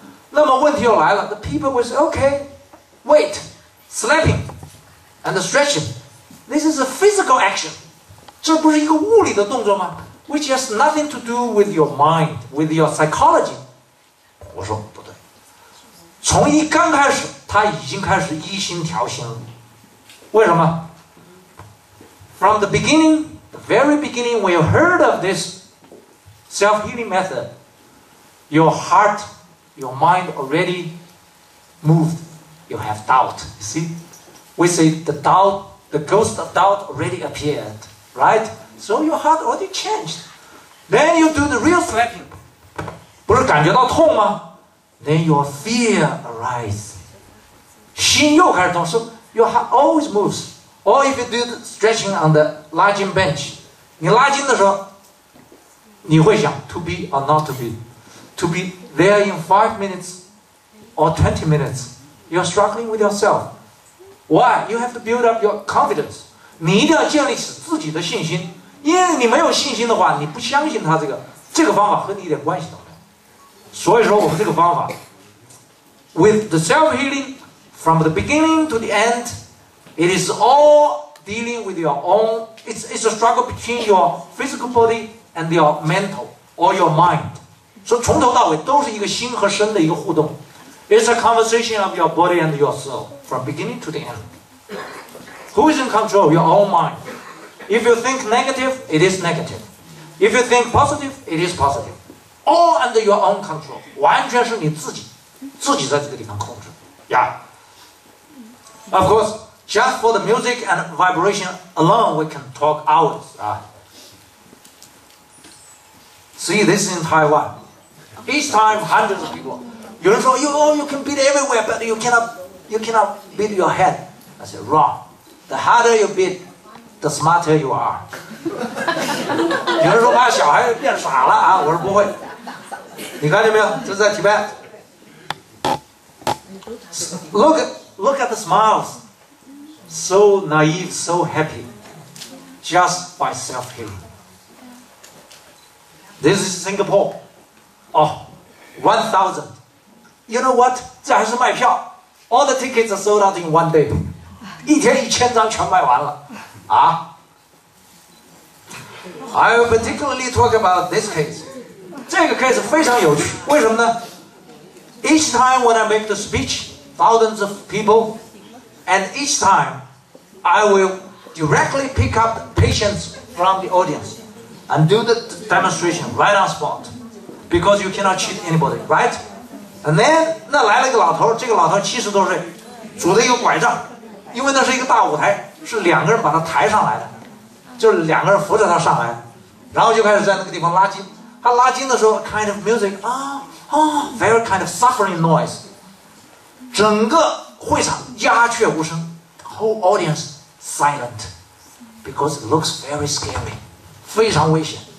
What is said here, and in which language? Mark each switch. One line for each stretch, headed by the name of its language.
Chinese: 那么问题又来了，
English: the people will say, okay, wait, slapping and stretching, this is a physical action.
Chinese: 这不是一个物理的动作吗？
English: Which has nothing to do with your mind, with your psychology.
Chinese: 我说不对，从一刚开始他已经开始一心调心了。为什么？
English: From the beginning, the very beginning, when you heard of this self-healing method, your heart, your mind already moved. You have doubt, you see? We say the doubt, the ghost of doubt already appeared, right? So your heart already changed. Then you do the real slapping.
Chinese: 不是感觉到痛吗？
English: Then your fear arises.
Chinese: 心又开始动，
English: so your heart always moves. Or if you do the stretching on the lunging bench,
Chinese: 你拉筋的时候，你会想
English: to be or not to be, to be there in 5 minutes or 20 minutes. You're struggling with yourself. Why? You have to build up your confidence.
Chinese: 你一定要建立起自己的信心，因为你没有信心的话，你不相信他这个方法和你一点关系都没有。所以说，我们这个方法
English: with the self healing. From the beginning to the end, it is all dealing with your own. It's a struggle between your physical body and your mental or your mind.
Chinese: So, 从头到尾都是一个心和身的一个互动。
English: It's a conversation of your body and your soul from beginning to the end. Who is in control? Your own mind. If you think negative, it is negative. If you think positive, it is positive. All under your own control.
Chinese: 完全是你自己在这个地方控制。
English: Yeah. Of course, just for the music and vibration alone, we can talk hours.、See, this is in Taiwan. Each time, hundreds of people.
Chinese: 有人说
English: you can beat everywhere, but you cannot beat your head. I said, wrong. The harder you beat, the smarter you are.
Chinese: 有人说把小孩变傻了啊，我说不会。你看见没有？这是在 Tibet.
English: Look at the smiles, so naive, so happy, just by self-healing. This is Singapore. Oh, 1,000. You know what?
Chinese: 这还是卖票。
English: All the tickets are sold out in one day.
Chinese: 一天1000张全卖完了。
English: I will particularly talk about this case.
Chinese: 这个 case 非常有趣。为什么呢？
English: Each time when I make the speech,thousands of people, and each time I will directly pick up patients from the audience and do the demonstration right on spot, because you cannot cheat anybody, right? And then
Chinese: 那来了一个老头，这个老头70多岁，拄着一个拐杖，因为那是一个大舞台，是两个人把他抬上来的，就是两个人扶着他上来，然后就开始在那个地方拉筋。他拉筋的时候
English: kind of music very kind of suffering noise,
Chinese: 整个会场鸦雀无声，
English: whole audience silent, because it looks very scary,
Chinese: 非常危险。